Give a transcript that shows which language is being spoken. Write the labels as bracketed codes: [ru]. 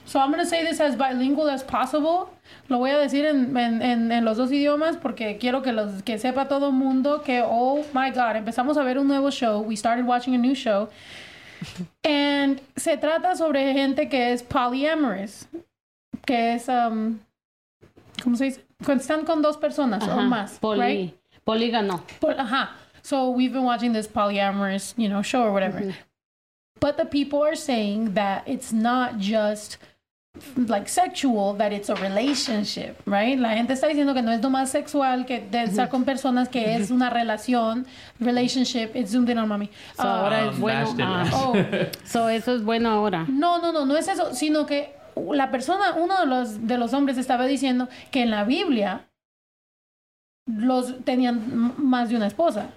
[en] So I'm gonna say this as bilingual as possible. [es] Lo voy a decir en los dos idiomas porque quiero que sepa todo mundo que, [en] oh my God, [es] empezamos a ver un nuevo show. [en] We started watching a new show. [es] And se trata sobre gente que es polyamorous, que es, ¿cómo se dice? Cuando están con dos personas o más, right? Polígano. Ajá. [en] So we've been watching this polyamorous, you know, show or whatever. But the people are saying that it's not just, like, sexual, that it's a relationship, right? [es] La gente está diciendo que no es nomás sexual, que de estar con personas, que es una relación, relationship. [en] It's zoomed in on mommy. [es] So ahora es bueno. So eso es bueno ahora. No es eso, sino que la persona, uno de los hombres estaba diciendo que en la Biblia los tenían más de una esposa.